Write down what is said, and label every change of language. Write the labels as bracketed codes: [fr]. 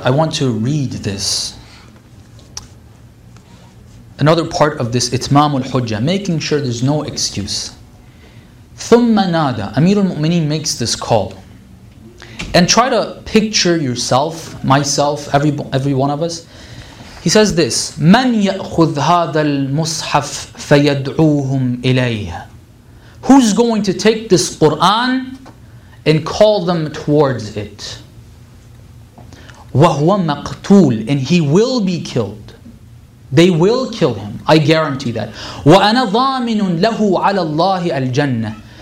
[en] I want to read this. Another part of this Itmam al-Hujjah, making sure there's no excuse. [ar] ثُمَّ نَادَى. [en] Amir al-Mu'mineen makes this call. And try to picture yourself, myself, every one of us. He says this, [ar] مَنْ يَأْخُذْ هَذَا الْمُصْحَفْ فَيَدْعُوهُمْ إِلَيْهِ. [en] Who's going to take this Qur'an and call them towards it? [ar] وَهُوَ مَقْتُولٌ. [en] And he will be killed. They will kill him. I guarantee that. [ar] وَأَنَا ضَامِنٌ لَهُ عَلَى اللَّهِ الْجَنَّةِ.